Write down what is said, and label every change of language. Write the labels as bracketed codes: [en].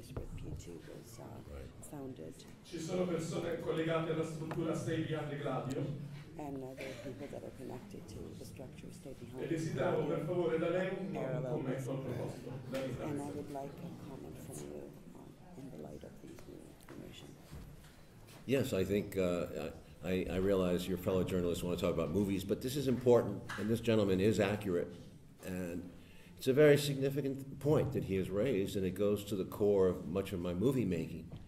[en] So the documents were found in the same place where P2 was founded. [it] Ci sono persone collegate alla struttura Stay Behind the Gladio. [en] And other people that are connected to the structure Stay Behind. [it] E desideravo per favore da lei un commento al proposito. [en] And I would like a comment from you in the light of these new information. Yes, I think I realize your fellow journalists want to talk about movies, but this is important, and this gentleman is accurate, and it's a very significant point that he has raised, and it goes to the core of much of my movie making,